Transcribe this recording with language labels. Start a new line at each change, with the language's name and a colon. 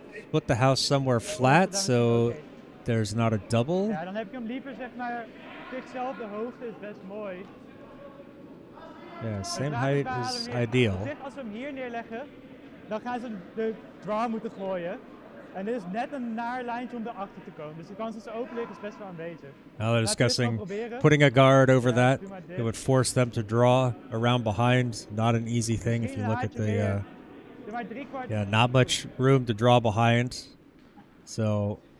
English: Put the house somewhere flat, so there's not a double.
Dutch: Ja, dan heb ik hem liever zeg maar zichzelf de hoogte is best mooi.
English: Ja, same height is ideal.
Dutch: Als we hem hier neerleggen, dan gaan ze de draw moeten gooien. En dit is net een naar lijntje om erachter te komen. Dus de kans dat ze open liggen is best wel aanwezig.
English: Now they're discussing putting a guard over that. It would force them to draw around behind. Not an easy thing if you look at the... Yeah, not much room to draw behind, so.